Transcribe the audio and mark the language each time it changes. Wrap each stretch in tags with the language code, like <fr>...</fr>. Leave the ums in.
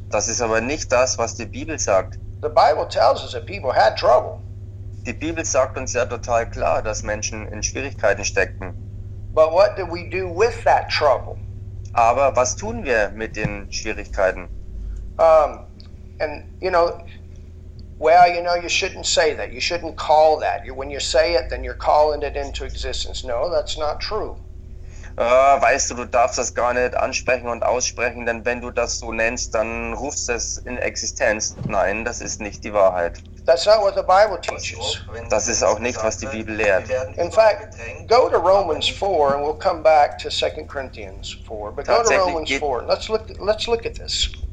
<de>Das ist aber nicht das, was die Bibel sagt.</de> <en>The Bible tells us that people had trouble.</en> <de>Die Bibel sagt uns ja total klar, dass Menschen in Schwierigkeiten steckten.</de> <en>But what do we do with that trouble?</en> <de>Aber was tun wir mit den Schwierigkeiten?</de> <en>Um, and you know well you know you shouldn't say that you shouldn't call that you, when you say it then you're calling it into existence no that's not true</en> <de>Ah, uh, weißt du, du darfst das gar nicht ansprechen und aussprechen, denn wenn du das so nennst, dann rufst es in Existenz. Nein, das ist nicht die Wahrheit.</de> <en>That's not what the Bible teaches. That is</en> <de>ist auch nicht, was die Bibel getrennt,</de> <en>In fact, go to Romans 4 and we'll come back to 2 Corinthians 4. But go to Romans 4. Let's look, let's look at this.</en>